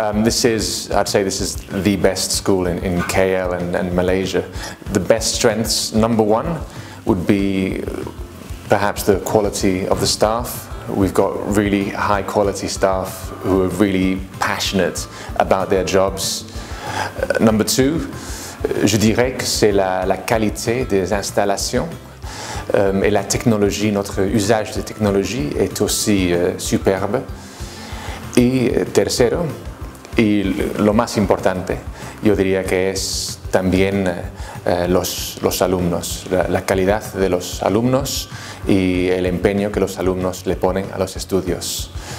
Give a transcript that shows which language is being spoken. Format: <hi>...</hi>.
<en>This is the best school in KL and Malaysia. The best strengths, number one, would be perhaps the quality of the staff. We've got really high quality staff who are really passionate about their jobs. Number two,</en> <fr>je dirais que c'est la qualité des installations et la technologie, notre usage de technologie est aussi superbe.</fr> <es>Et tercero, y lo más importante, yo diría que es también los alumnos, la calidad de los alumnos y el empeño que los alumnos le ponen a los estudios.</es>